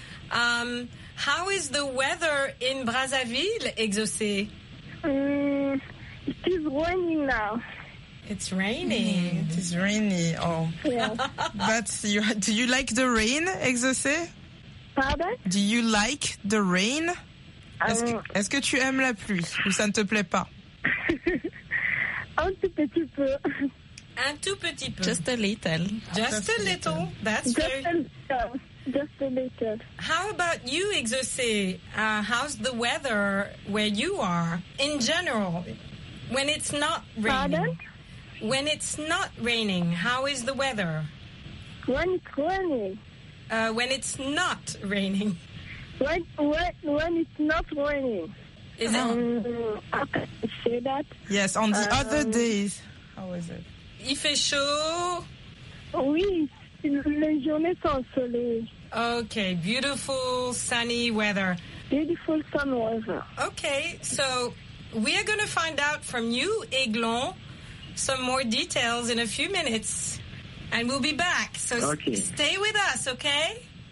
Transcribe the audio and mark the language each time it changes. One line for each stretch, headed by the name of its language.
English: How is the weather in Brazzaville, exaucé? It is raining now. It's raining. It is rainy. Oh. Yeah. But do you like the rain, exaucé? Pardon? Do you like the rain?
French: Est-ce que tu aimes la pluie ou ça ne te plaît pas? Un tout petit peu. Un tout petit peu.
English: Just a little. Just a little. That's just very... Just a little. How about you, exaucé? How's the weather where you are in general? When it's not raining? Pardon? When it's not raining, how is the weather? When it's raining. When it's not raining. When it's not raining. Is it? How can I say that? Yes, on the other days. How is it?
French: Il fait chaud. Oui. Les journées sont ensoleillées.
English: Okay, beautiful sunny weather. Beautiful sun weather. Okay, so we are going to find out from you, Eglon, some more details in a few minutes, and we'll be back. So okay. Stay with us, okay?